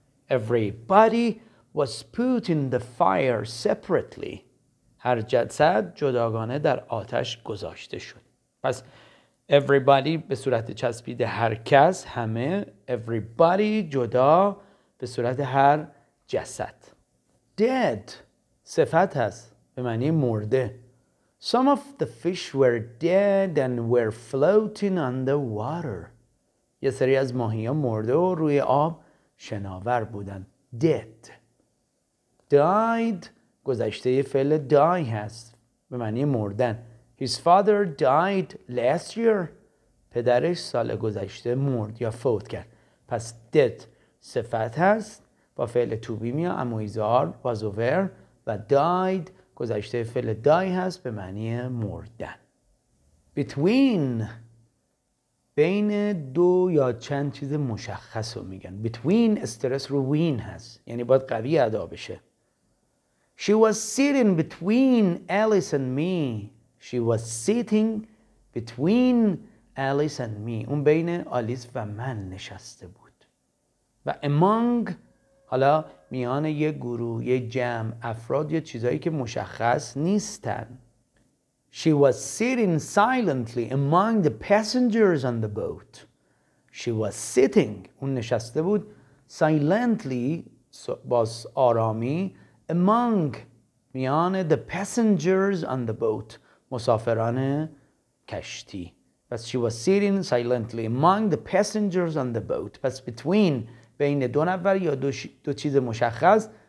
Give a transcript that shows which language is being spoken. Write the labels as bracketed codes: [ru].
[en] everybody was put in the fire separately. [fa] هر جسد جداگانه در آتش گذاشته شد. پس everybody به صورت چسبیده هر کس، همه. everybody جدا به صورت هر جسد. dead صفت هست به معنی مرده. [en] some of the fish were dead and were floating on the water. [fa] یه سری از ماهی ها مرده و روی آب شناور بودن. dead. died گذشته فعل die هست به معنی مردن. [en] his father died last year. [fa] پدرش سال گذشته مرد یا فوت کرد. پس dead صفت هست با فعل to be میا اموزار was over و died گذشته فعل die هست به معنی مردن. between بین دو یا چند چیز مشخص رو میگن. between استرس رو وین هست یعنی باید قوی ادا بشه. [en] she was sitting between Alice and me. she was sitting between Alice and me. [fa] اون بین آلیس و من نشسته بود. و among حالا میان یه گروه، یه جمع، افراد یا چیزایی که مشخص نیستن. [en] She was sitting silently among the passengers on the boat. She was sitting. [fa] اون نشسته بود [en] silently [fa] باز آرامی [en] among [fa] میان [en] the passengers on the boat [fa] مسافران کشتی. [en] پس she was sitting silently among the passengers on the boat. [fa] پس between بین دو نفر یا دو چیز مشخص.